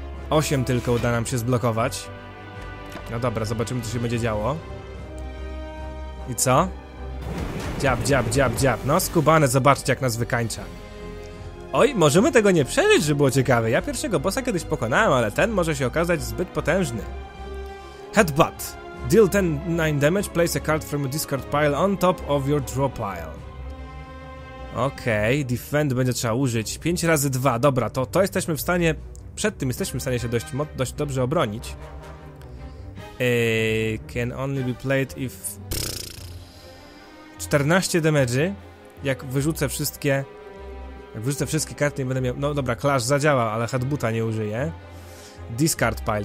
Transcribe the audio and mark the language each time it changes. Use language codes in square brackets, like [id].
[pl] 8 tylko uda nam się zblokować. No dobra, zobaczymy, co się będzie działo. I co? Dziab, dziab, dziab, dziab. No, skubane, zobaczcie, jak nas wykańcza. Oj, możemy tego nie przeżyć, żeby było ciekawe. Ja pierwszego bossa kiedyś pokonałem, ale ten może się okazać zbyt potężny. [en] Headbutt. Deal 10-9 damage, place a card from your discard pile on top of your draw pile. [pl] Okej, okay, defend będzie trzeba użyć. 5 razy 2, dobra, to jesteśmy w stanie... Przed tym jesteśmy w stanie się dość dobrze obronić. [en] Can only be played if... [pl] 14 damage, jak wyrzucę wszystkie... Jak wyrzucę wszystkie karty, nie będę miał... No dobra, Clash zadziała, ale headbutta nie użyję. Discard pile.